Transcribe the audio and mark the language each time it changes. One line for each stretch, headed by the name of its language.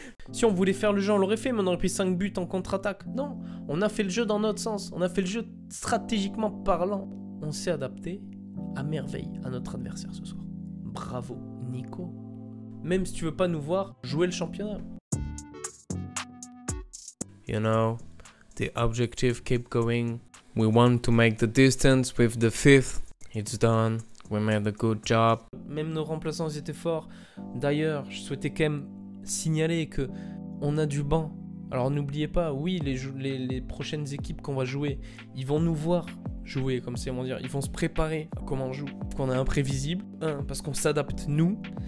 French: Si on voulait faire le jeu, on l'aurait fait, mais on aurait pris 5 buts en contre-attaque. Non, on a fait le jeu dans notre sens. On a fait le jeu stratégiquement parlant. On s'est adapté à merveille à notre adversaire ce soir. Bravo, Nico. Même si tu veux pas nous voir jouer le championnat.
English: You know, the objective keep going. We want to make the distance with the fifth. It's done. We made a good job.
French: Même nos remplaçants étaient forts. D'ailleurs, je souhaitais quand même signaler que on a du banc. Alors n'oubliez pas, oui, les prochaines équipes qu'on va jouer, ils vont nous voir jouer, comme c'est comment dire. Ils vont se préparer à comment on joue. Qu'on est imprévisible. Un, parce qu'on s'adapte nous.